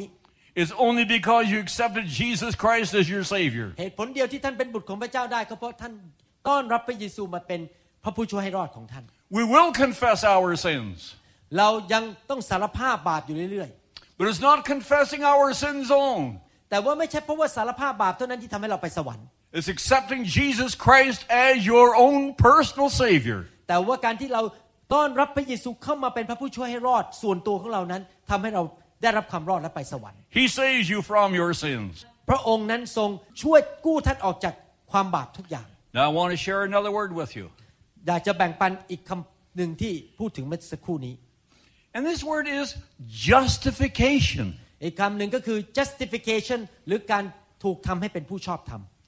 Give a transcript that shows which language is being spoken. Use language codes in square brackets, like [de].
[en] it's only because you accepted Jesus Christ as your Savior. [th] เหตุผลเดียวที่ท่านเป็นบุตรของพระเจ้าได้ก็เพราะท่านต้อนรับพระเยซูมาเป็นพระผู้ช่วยให้รอดของท่าน [en] We will confess our sins. [th] เรายังต้องสารภาพบาปอยู่เรื่อย [en] ๆ But it's not confessing our sins only. [th] แต่ว่าไม่ใช่เพราะว่าสารภาพบาปเท่านั้นที่ทำให้เราไปสวรรค์ [en] It's accepting Jesus Christ as your own personal Savior [th] แต่ว่าการที่เราต้อนรับพระเยซูเข้ามาเป็นพระผู้ช่วยให้รอดส่วนตัวของเรานั้นทำให้เราได้รับความรอดและไปสวรรค์ [en] He saves you from your sins [th] พระองค์นั้นทรงช่วยกู้ท่านออกจากความบาปทุกอย่าง [en] Now I want to share another word with you [th] อยากจะแบ่งปันอีกคำหนึ่งที่พูดถึงเมื่อสักครู่นี้ [en] And this word is justification [th] อีกคำหนึ่งก็คือ justification หรือการถูกทำให้เป็นผู้ชอบธรรม